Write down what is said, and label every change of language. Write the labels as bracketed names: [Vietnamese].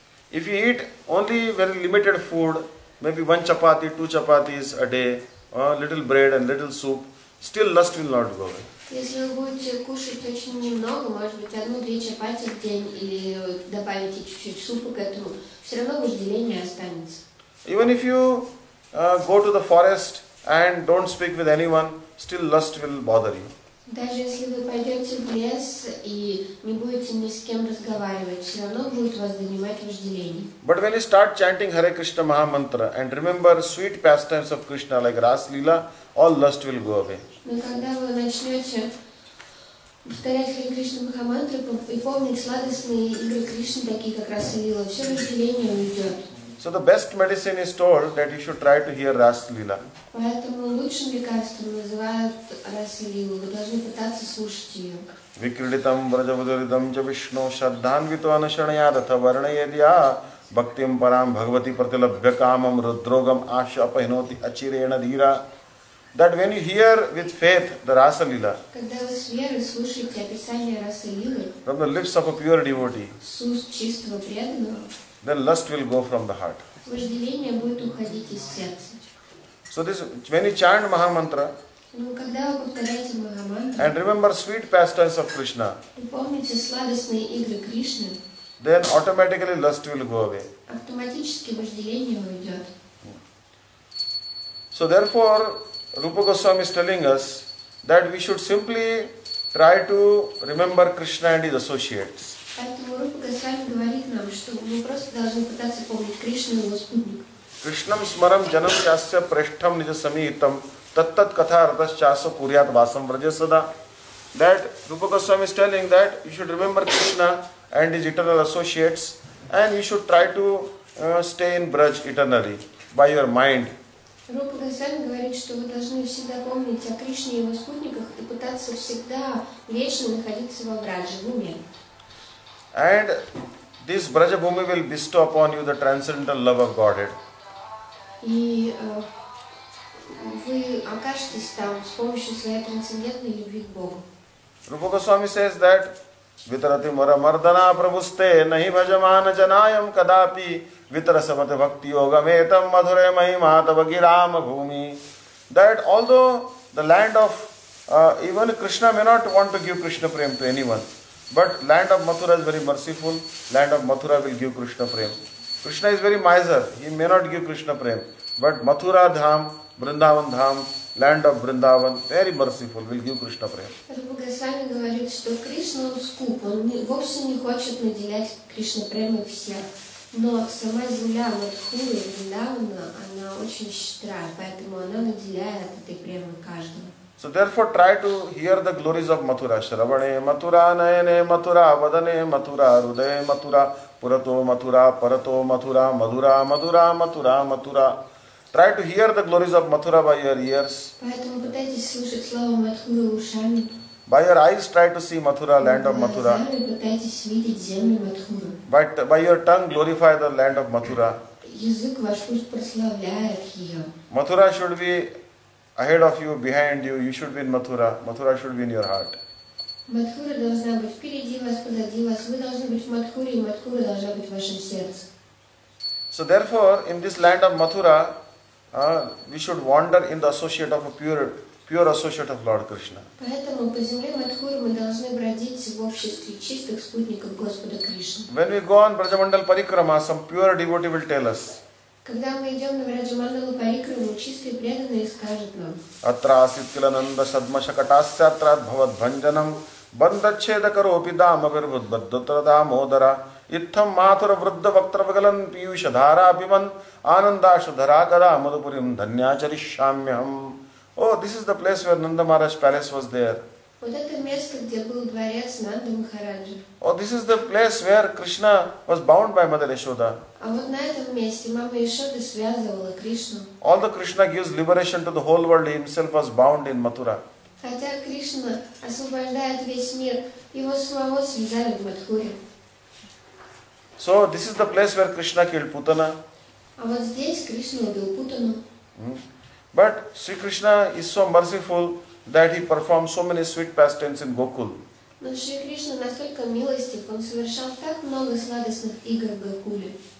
[English] If you eat only very limited food, maybe one chapati, two chapatis a day, little bread and little soup, still lust will not go away. [Russian] Если вы будете кушать очень немного, может быть, одну-две чапати в день или добавите чуть-чуть супа к этому, все равно вожделение останется. [English] Even if you go to the forest and don't speak with anyone, still lust will bother you. [Russian] Даже если вы пойдете в лес и не будете ни с кем разговаривать, все равно будет вас донимать вожделение. [English] But when you start chanting Hare Krishna Mahamantra and remember sweet pastimes of Krishna like Ras Lila, all lust will go away. [Russian] Но когда вы начнете повторять Hare Krishna Mahamantra и помнить сладостные игры Кришны, такие как Рас Лила, все вожделение уйдет. [English] So the best medicine is told that you should try to hear Ras Lila. [Russian] Поэтому лучшим лекарством называют Рас Лилу. Вы должны пытаться слушать её. [Sanskrit] Vikriditam vrajavadaridam cha Vishnu shaddhanvito anushanaya ratha varnayadya bhaktim param bhagavati pratilabhya kamam rudrogam asha pahinoti achirena dhira. [English] That when you hear with faith the Rasa Lila, [Russian] когда вы с верой слушаете описание Раса Лилы, [English] from the lips of a pure devotee, [Russian] с уст чистого преданного, [English] then lust will go from the heart. [Russian] Вожделение будет уходить из сердца. [English] So this, when you chant Mahamantra, [Russian] ну когда вы повторяете Mahamantra, [English] and remember sweet pastimes of Krishna, [Russian] и помните сладостные игры Кришны, [English] then automatically lust will go away. [Russian] Автоматически вожделение уйдет. [English] So therefore Rupa Goswami is telling us that we should simply try to remember Krishna and his associates. [Russian] Поэтому Рупа Госвами говорит нам, что мы просто должны пытаться помнить Кришну и его спутников. [Sanskrit] Кришнам смарам джанам часа прештхам нижа самиитам таттат катхартас часа курьят васам вражасада. [English] That Rupa Goswami is telling that you should remember Krishna and his eternal associates and you should try to stay in Braj eternally by your mind. [Russian] Рупа Госвами говорит, что вы должны всегда помнить о Кришне и его спутниках и пытаться всегда вечно находиться во Браже, в уме. [English] And this Braja Bhumi will bestow upon you the transcendental love of Godhead. [Russian] И вы окажетесь там с помощью своей трансцендентной любви к Богу. [English] Rupa Goswami says that [Sanskrit] Vitarati mara mardana prabhuste nahi bhajamana janayam kadapi vitrasamat bhakti yogametam madhure mahimata bhagiram bhumi. [English] That although the land of even Krishna may not want to give Krishna prem to anyone, but land of Mathura is very merciful. Land of Mathura will give Krishna prem. Krishna is very miser. He may not give Krishna prem, but Mathura dham, Vrindavan dham, land of Vrindavan, very merciful, will give Krishna prem. [Russian] Rupa Goswami говорит, что Кришна скуп. Он вовсе не хочет наделять Кришна премой всех. Но сама земля Мадхуры, Вриндавана, она очень щедра, поэтому она наделяет этой премой каждого. [English] So therefore try to hear the glories of Mathura. [Sanskrit] Shravane Mathura Nayane Mathura Vadane Mathura Rudaye Mathura Purato Mathura Parato Mathura Madhura Madhura Mathura Mathura. [English] Try to hear the glories of Mathura by your ears. [Russian] Поэтому пытайтесь слушать слово Мадхуры ушами. [English] By your eyes try to see Mathura, land of Mathura. [Russian] Пытайтесь видеть землю Мадхуры. [English] By your tongue glorify the land of Mathura. [Russian] Язык ваш пусть прославляет ее. [English] Mathura should be ahead of you, behind you, you should be in Mathura. Mathura should be in your heart. [Russian] Mathura должна быть впереди вас, позади вас. Вы должны быть в Мадхуре, и Мадхура должна быть в вашем сердце. [English] So therefore, in this land of Mathura, we should wander in the associate of a pure associate of Lord Krishna. [Russian] Поэтому по земле Мадхуры мы должны бродить в обществе чистых спутников Господа Кришны. [English] When we go on Брадамандал Парикрама, some pure devotee will tell us. [Russian] Когда мы идем на Враджамандалу Парикраму, чистые преданные скажут нам. [Sanskrit] Атра асит кила нанда садма шакатасья атрат бхават бханджанам банда чеда каропи дама вирвуд баддутра дама одара иттам матура вруддва вактравагалан пиюша дхара абиман анандаша дхаракара мадупурим дханьячари шамьям. [English] Oh, this is the place where Nanda Maharaj's palace was there. [Russian] Вот это место, где был дворец Нанды Махараджи. [English] Oh, this is the place where Krishna was bound by Mother Yashoda. [Russian] А вот на этом месте мама Яшода связывала Кришну. [English] All the Krishna gives liberation to the whole world, he himself was bound in Mathura. [Russian] Хотя Кришна освобождает весь мир, его самого связали в Мадхуре. [English] So this is the place where Krishna killed Putana. [Russian] А вот здесь Кришна убил Путану. [English] But Sri Krishna is so merciful that he performs so many sweet pastimes in Gokul. [Russian] Но Шри Кришна настолько милостив, он совершал так много сладостных игр в Гокуле.